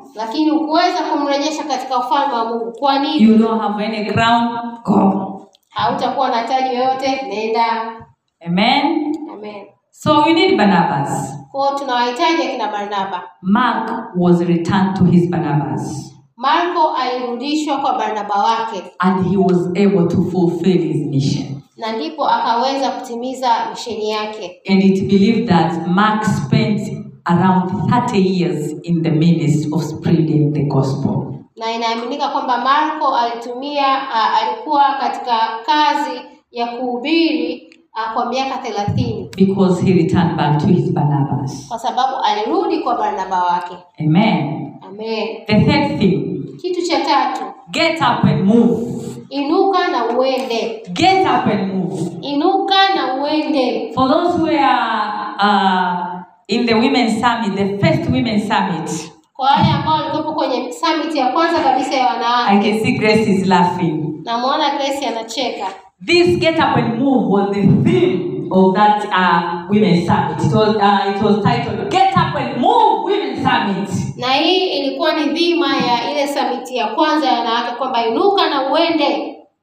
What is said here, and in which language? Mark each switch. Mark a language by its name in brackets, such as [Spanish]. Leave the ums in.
[Swahili] lakini ukuweza kumrejesha katika ufalme wa Mungu. Kwa nini? [English] You don't have any ground, go. [Swahili] Hautakuwa na taji yoyote, nenda. [English] Amen. Amen. So we need Barnabas. [Swahili] Kwa tunawahitaji akina Barnaba. Mark [English] was returned to his Barnabas. [Swahili] Marko alirudishwa kwa Barnaba wake. [English] And he was able to fulfill his mission. [Swahili] Na ndipo akaweza kutimiza misheni yake. [English] And it believed that Mark spent around 30 years in the ministry of spreading the gospel. [Swahili] Na inaaminika kwamba Marko alitumia uh, alikuwa katika kazi ya kuhubiri uh, kwa miaka 30. [English] Because he returned back to his Barnabas. [Swahili] Kwa sababu alirudi kwa Barnaba wake. Amen. [English] Amen. The third thing. [Swahili] Kitu cha tatu. [English] Get up and move. [Swahili] Inuka na uende. [English] Get up and move. [Swahili] Inuka na uende. [English] For those who are uh, in the women's summit, the first women's summit. [Swahili] Kwa wale ambao walikuwepo kwenye summit ya kwanza kabisa ya wanawake. [English] I can see Grace is laughing. [Swahili] Namuona Grace anacheka. [English] This get up and move was the theme of that uh, women's summit. It so, was, uh, it was titled Get Up and Move Women's Summit. [Swahili] Na hii ilikuwa ni dhima ya ile summit ya kwanza ya wanawake kwamba inuka na uende.